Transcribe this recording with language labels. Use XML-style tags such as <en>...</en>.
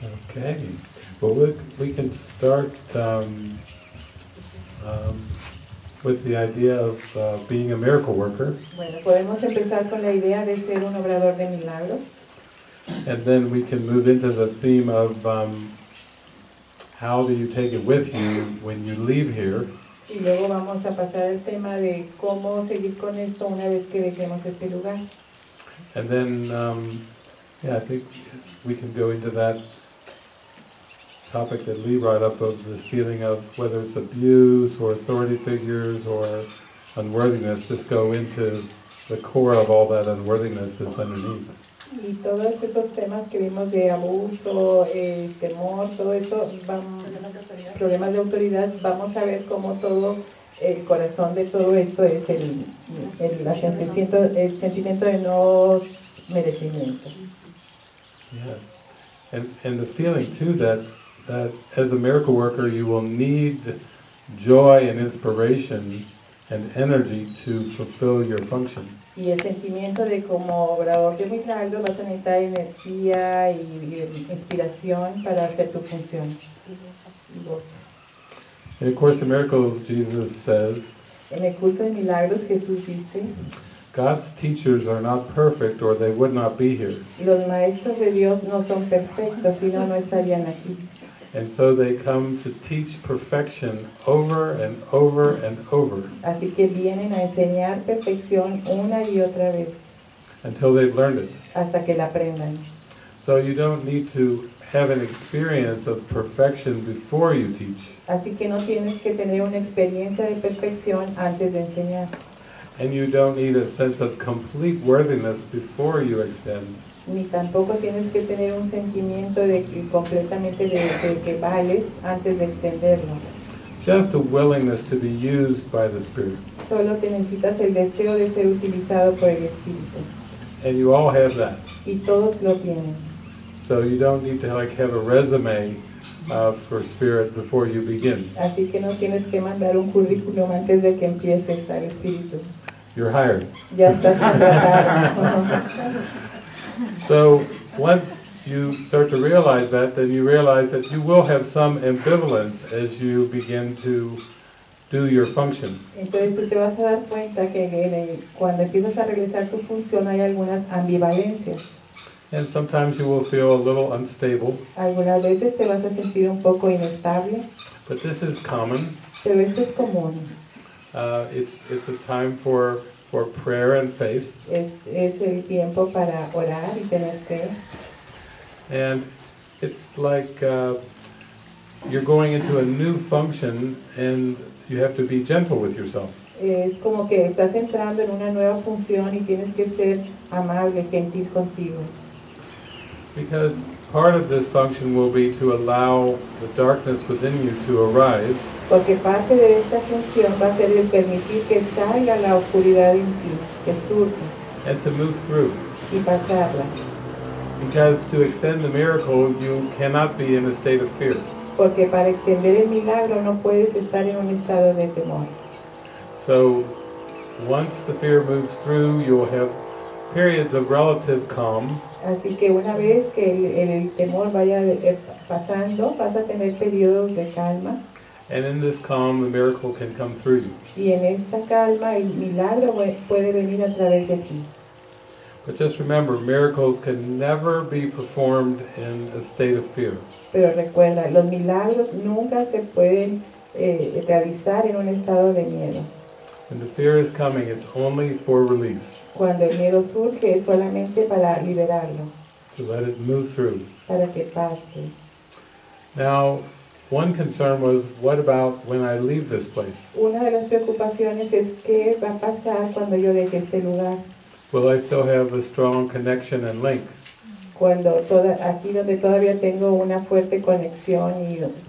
<en>Okay, well, we can start with the idea of being a miracle worker.</en> <es>Bueno, podemos empezar con la idea de ser un obrador de milagros.</es> <en>And then we can move into the theme of how do you take it with you when you leave here.</en> <es>Y luego vamos a pasar al tema de cómo seguir con esto una vez que dejemos este lugar.</es> <en>And then, yeah, I think we can go into that topic that Lee brought up of this feeling of whether it's abuse or authority figures or unworthiness, just go into the core of all that unworthiness that's underneath.</en> <es>Y todos esos temas que vimos de abuso, temor, todo eso, problemas de autoridad, vamos a ver cómo todo el corazón de todo esto es el sentimiento de no merecimiento.</es> <en>Yes, and the feeling too that as a miracle worker you will need joy and inspiration and energy to fulfill your function.</en> <es>Y el sentimiento de como obrador de milagros vas a necesitar energía y inspiración para hacer tu función.</es> <en>In the Course in Miracles, Jesus says,</en> <es>en el curso de milagros, Jesús dice,</es> <en>God's teachers are not perfect or they would not be here.</en> <es>Los maestros de Dios no son perfectos, sino no estarían aquí.</es> <en>And so they come to teach perfection over and over and over.</en> <es>Así que vienen a enseñar perfección una y otra vez.</es> <en>Until they've learned it.</en> <es>Hasta que la aprendan.</es> <en>So you don't need to have an experience of perfection before you teach.</en> <es>Así que no tienes que tener una experiencia de perfección antes de enseñar.</es> <en>And you don't need a sense of complete worthiness before you extend.</en> <es>Ni tampoco tienes que tener un sentimiento de completamente de que vales antes de extenderlo.</es> <en>Just a willingness to be used by the Spirit.</en> <es>Solo que necesitas el deseo de ser utilizado por el Espíritu.</es> <en>And you all have that.</en> <es>Y todos lo tienen.</es> <en>So you don't need to like have a resume for Spirit before you begin.</en> <es>Así que no tienes que mandar un currículum antes de que empieces al Espíritu.</es> <en>You're hired.</en> <es>Ya estás contratado.</es> <en>So once you start to realize that, then you realize that you will have some ambivalence as you begin to do your function.</en> <es>Entonces tú te vas a dar cuenta que cuando empiezas a realizar tu función hay algunas ambivalencias.</es> <en>And sometimes you will feel a little unstable.</en> <es>Algunas veces te vas a sentir un poco inestable.</es> <en>But this is common.</en> <es>Pero esto es común.</es> <en>It's a time for prayer and faith.</en> <es>Es el tiempo para orar y tener fe.</es> <en>And it's like you're going into a new function and you have to be gentle with yourself.</en> <es>Es como que estás entrando en una nueva función y tienes que ser amable, gentil contigo.</es> <en>Because part of this function will be to allow the darkness within you to arise.</en> <es>Porque parte de esta función va a ser el permitir que salga la oscuridad en ti, que surja.</es> <en>And to move through.</en> <es>Y pasarla.</es> <en>Because to extend the miracle, you cannot be in a state of fear.</en> <es>Porque para extender el milagro no puedes estar en un estado de temor.</es> <en>So, once the fear moves through, you will have periods of relative calm.</en> <es>Así que una vez que el temor vaya pasando, vas a tener periodos de calma.</es> <en>And in this calm, the miracle can come through you.</en> <es>Y en esta calma, el milagro puede venir a través de ti.</es> <en>But just remember, miracles can never be performed in a state of fear.</en> <es>Pero recuerda, los milagros nunca se pueden realizar en un estado de miedo.</es> <en>When the fear is coming, it's only for release.</en> <es>Cuando el miedo surge, es solamente para liberarlo.</es> <en>To let it move through.</en> <es>Para que pase.</es> <en>Now, one concern was, what about when I leave this place?</en> <es>Una de las preocupaciones es, ¿qué va a pasar cuando yo deje este lugar?</es> <en>Will I still have a strong connection and link?</en> <es>Cuando aquí donde todavía tengo una fuerte conexión y...</es>